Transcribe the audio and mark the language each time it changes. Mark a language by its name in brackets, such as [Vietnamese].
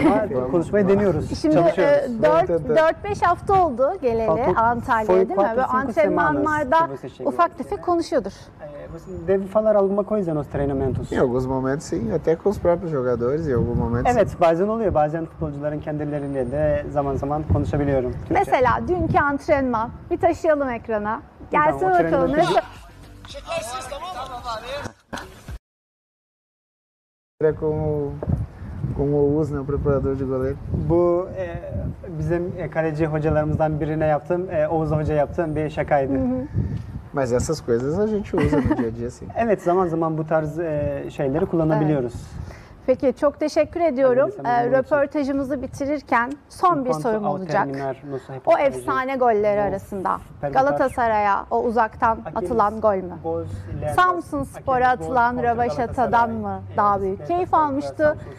[Turkish] Ama konuşmayı deniyoruz. Şimdi çalışıyoruz. 4-5 hafta oldu geleli Antalya'ya değil mi? Ve antrenmanlarda ufak tefek konuşuyordur. [Portuguese] Deve falar alguma coisa nos treinamentos. Em alguns momentos sim, até com os próprios jogadores em algum momento. [Turkish] Evet, bazen oluyor. Bazen futbolcuların kendileriyle de zaman zaman konuşabiliyorum. Türkçe. Mesela dünkü antrenman. Bir taşıyalım ekrana. Gelsin tamam, bakalım. Çekersiniz tamam mı? Tamam abi. [Portuguese] Era como como vos ne preparador de goleiro? [Turkish] Bu bizim kaleci hocalarımızdan birine yaptım. Oğuz Hoca yaptığım bir şakaydı. [Portuguese] Mas essas coisas a gente usa no dia a dia sim. [Turkish] Evet, zaman zaman bu tarz şeyleri kullanabiliyoruz. Peki, çok teşekkür ediyorum. Röportajımızı bitirirken son bir sorum olacak. O efsane golleri arasında Galatasaray'a o uzaktan atılan gol mü? Samsun Spor'a atılan rövaşatadan mı daha büyük keyif almıştı?